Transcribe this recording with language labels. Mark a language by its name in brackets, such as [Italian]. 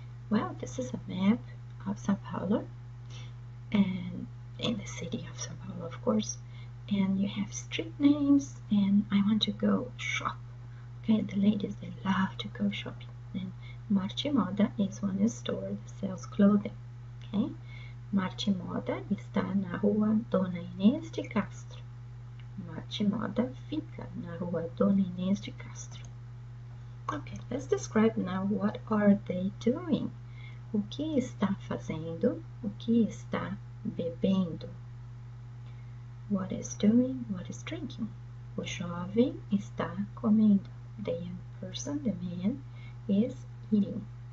[English] Well, this is a map of São Paulo, and in the city of São Paulo, of course. And you have street names, and I want to go shop. Okay, the ladies, they love to go shopping. And Marche Moda is one store that sells clothing. [Portuguese] Okay, Marche Moda está na rua Dona Inês de Castro. Marche Moda fica na rua Dona Inês de Castro. [English] Okay, let's describe now what are they doing. [Portuguese] O que está fazendo? O que está bebendo? [English] What is doing? What is drinking? [Portuguese] O jovem está comendo. [English] The young person, the man, is eating.